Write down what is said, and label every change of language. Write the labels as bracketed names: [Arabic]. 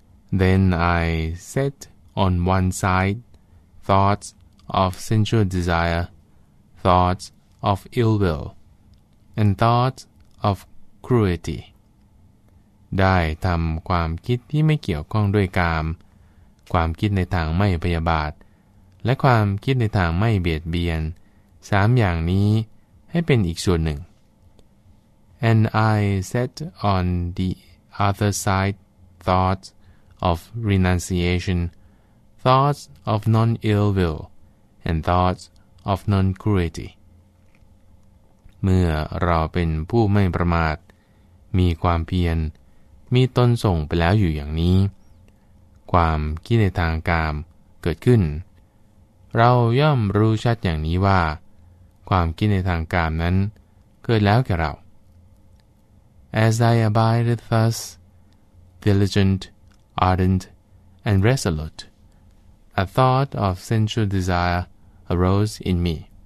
[English] Then I set on one side. Thoughts of sensual desire, thoughts of ill will, and thoughts of cruelty. [Thai] ได้ทำความคิดที่ไม่เกี่ยวข้องด้วยกามความคิดในทางไม่พยาบาทและความคิดในทางไม่เบียดเบียนสามอย่างนี้ให้เป็นอีกส่วนหนึ่ง [English] And I set on the other side thoughts of renunciation.Thoughts of non-ill will and thoughts of non-cruelty [Thai] เมื่อเราเป็นผู้ไม่ประมาทมีความเพียรมีตนส่งไปแล้วอยู่อย่างนี้ ความคิดในทางกามเกิดขึ้นเราย่อมรู้ชัดอย่างนี้ว่าความคิดในทางกามนั้นเกิดแล้วแก่เรา [English] As I abide thus, diligent, ardent, and resolute, a thought of sensual desire arose in me.